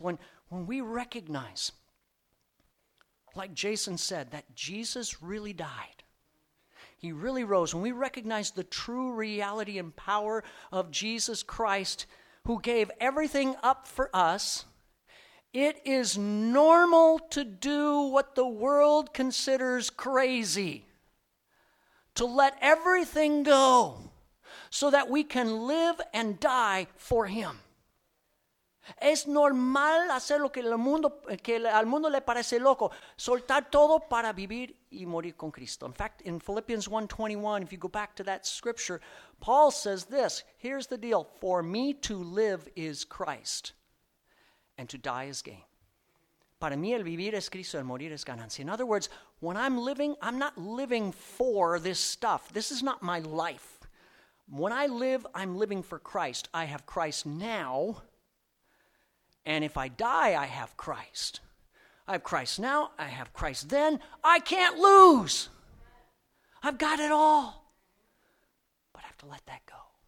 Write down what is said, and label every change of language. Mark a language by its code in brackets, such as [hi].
[en] When we recognize, like Jason said, that Jesus really died, he really rose, when we recognize the true reality and power of Jesus Christ who gave everything up for us, it is normal to do what the world considers crazy. to let everything go so that we can live and die for him. [es] Es normal hacer lo que el mundo, que al mundo le parece loco, soltar todo para vivir y morir con Cristo. [en] In fact, in Philippians 1:21, if you go back to that scripture, Paul says this, here's the deal, for me to live is Christ, and to die is gain. [es] Para mí el vivir es Cristo, el morir es ganancia. [en] In other words, when I'm living, I'm not living for this stuff. This is not my life. When I live, I'm living for Christ. I have Christ now. And if I die, I have Christ. I have Christ now. I have Christ then. I can't lose. I've got it all. But I have to let that go.